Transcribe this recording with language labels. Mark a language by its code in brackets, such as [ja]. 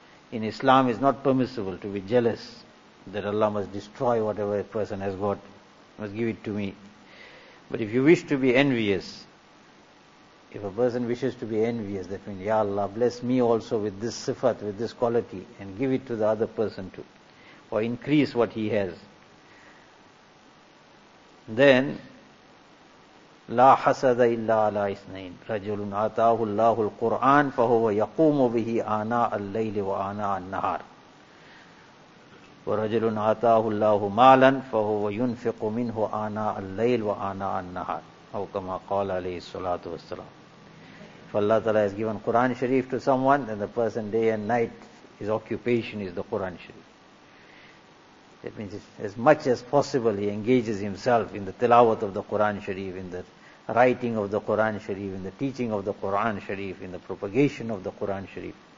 [en] In Islam it's not permissible to be jealous, that Allah must destroy whatever a person has got, must give it to me. But if you wish to be envious, if a person wishes to be envious, that means, Ya Allah, bless me also with this sifat, with this quality, and give it to the other person too, or increase what he has. Then, [ar] لا حسد إلا على إثنين رجل آتاه الله القرآن فهو يقوم به آناء الليل وآناء النهار ورجل آتاه الله مالا فهو ينفق منه آناء الليل وآناء النهار أو كما قال عليه الصلاة والسلام. [en] For Allah Ta'ala has given Quran Sharif to someone, then the person day and night, his occupation is the Quran Sharif. That means as much as possible he engages himself in the tilawat of the Quran Sharif, in the writing of the Quran Sharif, in the teaching of the Quran Sharif, in the propagation of the Quran Sharif.